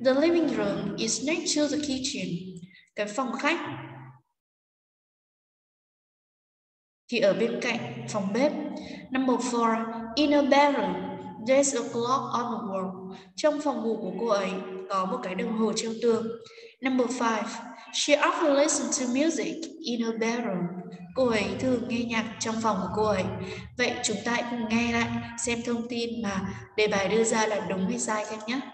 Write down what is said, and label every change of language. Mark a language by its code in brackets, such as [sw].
[en] The living room is next to the kitchen. [vi] Cái phòng khách thì ở bên cạnh phòng bếp. [en] Number 4. In a bedroom, there's a clock on the wall. [vi] Trong phòng ngủ của cô ấy có một cái đồng hồ treo tường. [en] Number 5. She often listens to music in her bedroom. [vi] Cô ấy thường nghe nhạc trong phòng của cô ấy. Vậy chúng ta hãy cùng nghe lại xem thông tin mà đề bài đưa ra là đúng hay sai các em nhé.